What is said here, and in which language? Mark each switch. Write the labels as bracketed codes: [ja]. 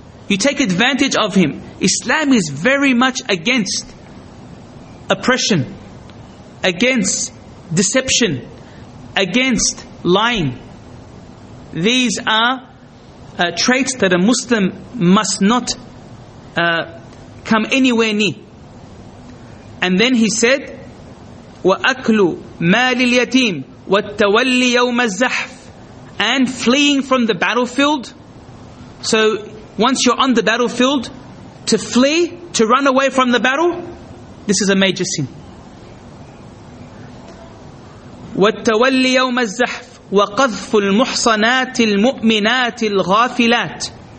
[en] You take advantage of him. Islam is very much against oppression, against deception, against lying. These are traits that a Muslim must not come anywhere near. And then he said, [ar] وَأَكْلُ مَالِ الْيَتِيمِ وَالتَّوَلِّ يَوْمَ الزَّحْفِ. [en] And fleeing from the battlefield. So once you're on the battlefield, to flee, to run away from the battle, this is a major sin. [ar] وَالتَّوَلِّ يَوْمَ الزَّحْفِ وَقَذْفُ الْمُحْصَنَاتِ الْمُؤْمِنَاتِ الْغَافِلَاتِ.